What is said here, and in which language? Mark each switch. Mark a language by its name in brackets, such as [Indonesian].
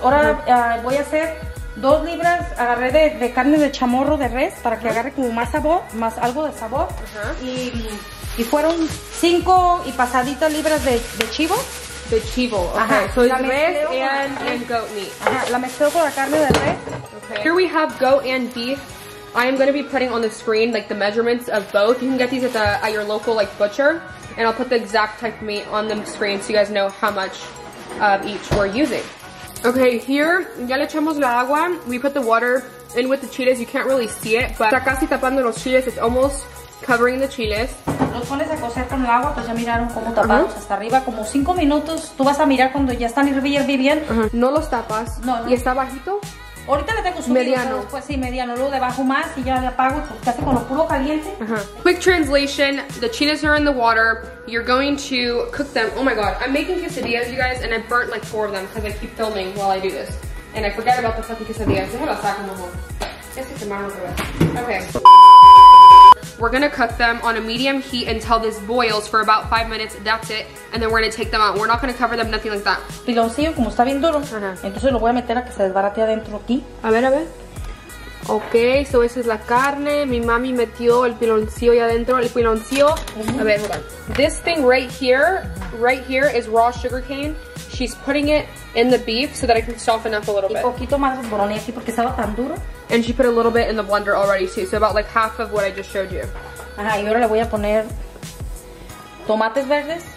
[Spanish] Ahora voy a hacer 2 libras, agarré de carne de chamorro de res, para que agarre como más sabor, más algo de sabor. Y fueron 5 y pasaditas libras de chivo. De chivo, okay. [English] So it's res and goat meat. [Spanish] Ajá, la mezclo con la carne de res. [English] Okay. Here we have goat and beef. I am going to be putting on the screen like the measurements of both. You can get these at your local like butcher. And I'll put the exact type of meat on the screen so you guys know how much of each we're using. Okay, here, [Spanish] ya le echamos la agua. [English] We put the water in with the chiles. You can't really see it, but [Spanish] está casi tapando los chiles. [English] It's almost covering the chiles. [Spanish] Los pones a cocer con el agua, pues ya miraron cómo taparon hasta arriba. Como 5 minutos, tú vas a mirar cuando ya están hirviendo bien. No los tapas. No. ¿Y está bajito? Ahorita le tengo subido, después, mediano, luego debajo más y ya le apago, porque hace con lo puro caliente. [English] Quick translation, the chiles are in the water, you're going to cook them. Oh my god, I'm making quesadillas, you guys, and I burnt like 4 of them because I keep filming while I do this. And I forget about the fucking quesadillas. [Spanish] Deja la saco mejor. [English] Okay. We're gonna cook them on a medium heat until this boils for about 5 minutes. That's it. And then we're gonna take them out. We're not gonna cover them, nothing like that. [Spanish] Piloncillo, como está bien duro, entonces lo voy a meter a que se desbarate adentro aquí. A ver, a ver. Ok, so esa es la carne. Mi mami metió el piloncillo ahí adentro. El piloncillo. A ver, [English] hold on. This thing right here is raw sugar cane. She's putting it in the beef so that I can soften up a little bit. [Spanish] Y poquito más boroné aquí porque estaba tan duro. [English] And she put a little bit in the blender already too, so about like half of what I just showed you. [Spanish] Ajá, y ahora le voy a poner tomates verdes.